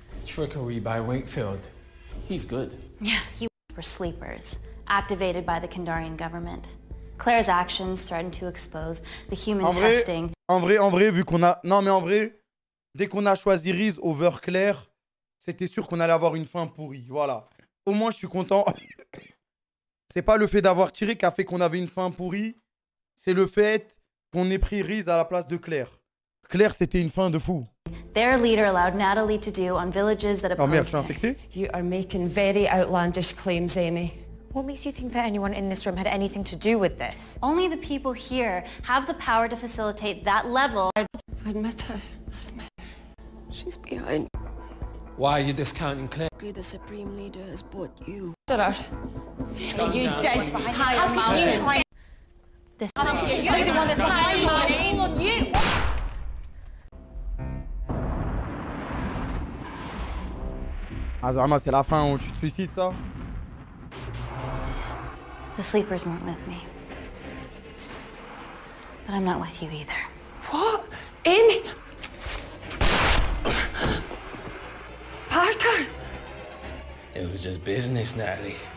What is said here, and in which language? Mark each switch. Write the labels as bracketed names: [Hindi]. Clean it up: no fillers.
[English] Trickery by Wakefield. He's good. Yeah, he worked for sleepers. activated by the Kandarian government. Claire's actions threaten to expose the human testing. [French] En vrai, vu qu'on a... Non, mais en vrai, dès qu'on a choisi Reese over Claire, c'était sûr qu'on allait avoir une fin pourrie. Voilà. Au moins, je suis content. C'est pas le fait d'avoir tiré qui a fait qu'on avait une fin pourrie. C'est le fait qu'on ait pris Reese à la place de Claire. Claire, c'était une fin de fou. [English] Their leader allowed Natalie to do on villages that [French] oppose. Oh merde, c'est infecté. [English] You are making very outlandish claims, Amy. What makes you think that anyone in this room had anything to do with this? Only the people here have the power to facilitate that level. Admit it. She's behind. Why are you discounting Claire? The Supreme Leader has bought you. Shut up. Are you dead behind how can you try? This you're the one that's behind my name on you! [French] Azama, c'est la fin où tu te suicides, ça? [English] The sleepers weren't with me. But I'm not with you either. What? Amy? Parker? It was just business, Natalie.